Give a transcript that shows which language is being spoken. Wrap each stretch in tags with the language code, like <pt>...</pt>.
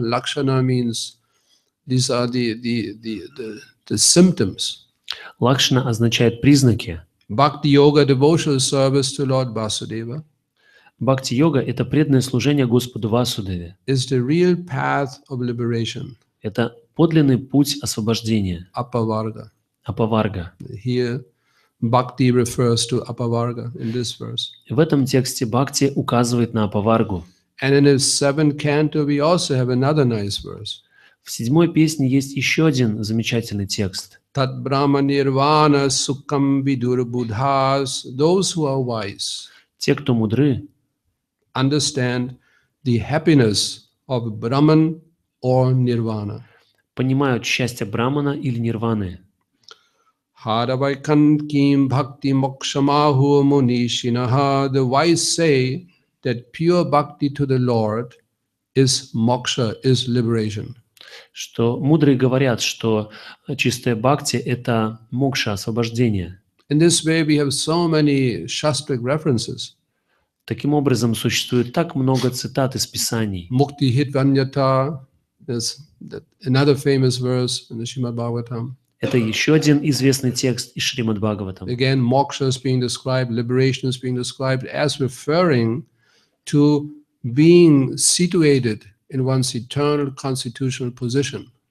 <en>Лакшана means these are the symptoms.</en> <ru>Лакшана означает признаки.</ru> <en>Бхакти йога devotional service to Lord Vasudeva.</en> <ru>Бхакти йога это преданное служение Господу Васудеве.</ru> <en>Is the real path of liberation.</en> <ru>Это подлинный путь освобождения.</ru> <sa>Апаварга. Апаварга.</sa> <en>Here, bhakti refers to apavarga in this verse.</en> <ru>В этом тексте бхакти указывает на апаваргу.</ru> <en>And in the seventh canto, we also have another nice verse.</en> <ru>В седьмой песне есть еще один замечательный текст.</ru> <sa>Tat brahma nirvana sukham vidur buddhas,</sa> <en>those who are wise.</en> <ru>Те, кто мудры,</ru> <en>understand the happiness of brahman or nirvana.</en> <ru>Понимают счастье брахмана или нирваны.</ru> <sa>Харавайканким бхакти мокшамаху мунишинаха.</sa> <en>The wise say that pure bhakti to the Lord is moksha, is liberation.</en> <ru>Что мудрые говорят, что чистая бхакти – это мокша, освобождение.</ru> <en>In this way we have so many shastric references.</en> <ru>Таким образом, существует так много цитат из Писаний.</ru> <sa>Мукти хитваньята</sa> <en>is another famous verse in the Srimad Bhagavatam.</en> <ru>Это еще один известный текст из Шримад Бхагаватам.</ru> <en>Again, moksha is being described, liberation is being described as referring to being situated in one's eternal constitutional position.</en>